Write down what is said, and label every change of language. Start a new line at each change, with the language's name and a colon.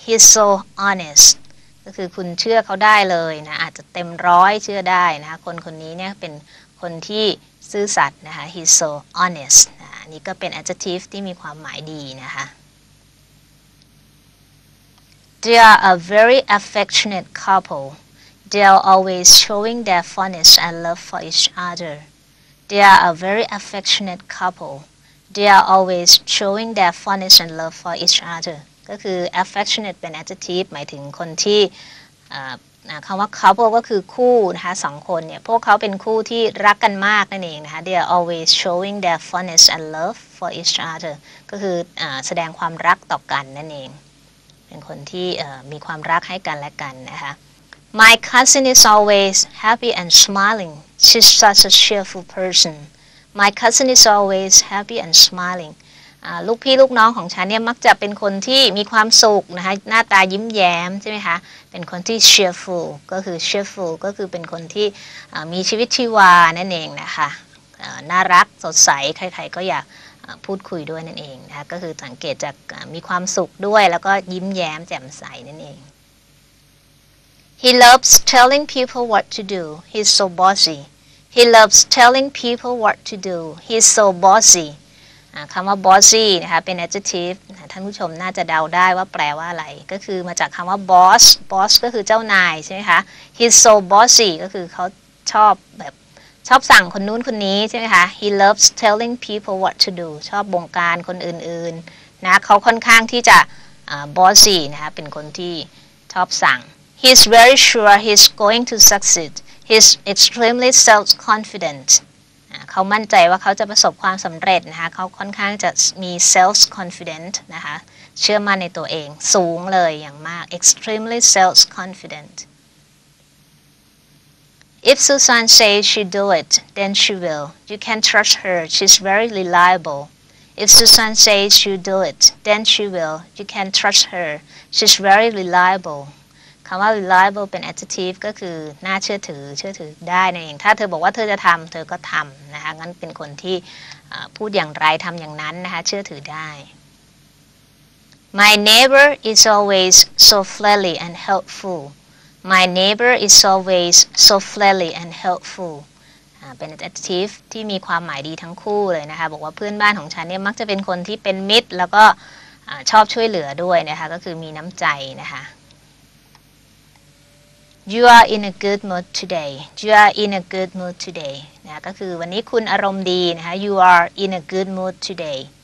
English: He's so honest.
Thai: ก็คือคุณเชื่อเขาได้เลยนะอาจจะเต็มร้อยเชื่อได้นะคะคนนี้เนี่ยเป็นคนที่ซื่อสัตย์นะคะ He's so honest. อันนี้ก็เป็น adjective ที่มีความหมายดีนะคะ
English: They are a very affectionate couple. They are always showing their fondness and love for each other. They are a very affectionate couple. They are always showing their fondness and love for each other.
Thai: ก็คือ affectionate เป็น adjective หมายถึงคนที่คำว่า couple ก็คือคู่นะคะสองคนเนี่ยพวกเขาเป็นคู่ที่รักกันมากนั่นเองนะคะ
English: They are always showing their fondness and love for each other.
Thai: ก็คือแสดงความรักต่อกันนั่นเองเป็นคนที่มีความรักให้กันและกันนะคะ
English: My cousin is always happy and smiling. She's such a cheerful person. My cousin is always happy and smiling.
Thai: ลูกพี่ลูกน้องของฉันเนี่ยมักจะเป็นคนที่มีความสุขนะคะหน้าตายิ้มแย้มใช่ไหมคะเป็นคนที่ cheerful ก็คือ cheerful ก็คือเป็นคนที่มีชีวิตชีวานั่นเองนะคะน่ารักสดใสใครๆก็อยากพูดคุยด้วยนั่นเองนะคะก็คือสังเกตจากมีความสุขด้วยแล้วก็ยิ้มแย้มแจ่มใสนั่นเอง
English: He loves telling people what to do. He's so bossyHe loves telling people what to do. He's so bossy.
Thai: คำว่า bossy นะคะเป็น adjective ท่านผู้ชมน่าจะเดาได้ว่าแปลว่าอะไรก็คือมาจากคำว่า boss. Boss ก็คือเจ้านายใช่ไหมคะ
English: He's so bossy
Thai: ก็คือเขาชอบแบบชอบสั่งคนนู้นคนนี้ใช่ไหมคะ
English: He loves telling people what to do.
Thai: ชอบบงการคนอื่นๆนะเขาค่อนข้างที่จะ bossy นะคะเป็นคนที่ชอบสั่ง
English: He's very sure he's going to succeed. He's extremely self-confident.
Thai: เขามั่นใจว่าเขาจะประสบความสำเร็จนะคะเขาค่อนข้างจะมี self-confident นะคะเชื่อมั่นในตัวเองสูงเลยอย่างมาก extremely self-confident
English: If Susan says she'll do it, then she will. You can trust her. She's very reliable. If Susan says she'll do it, then she will. You can trust her. She's very reliable.
Thai: คำว่า reliable เป็น adjective ก็คือน่าเชื่อถือเชื่อถือได้นั่นเองถ้าเธอบอกว่าเธอจะทำเธอก็ทำนะคะงั้นเป็นคนที่พูดอย่างไรทำอย่างนั้นนะคะเชื่อถือได้
English: My neighbor is always so friendly and helpful. My neighbor is always so friendly and helpful.
Thai: เป็น adjective ที่มีความหมายดีทั้งคู่เลยนะคะบอกว่าเพื่อนบ้านของฉันเนี่ยมักจะเป็นคนที่เป็นมิตรแล้วก็ชอบช่วยเหลือด้วยนะคะก็คือมีน้ำใจนะคะ
English: You are in a good mood today. You are in a good mood today.
Thai: นะก็คือวันนี้คุณอารมณ์ดีนะคะ
English: You are in a good mood today.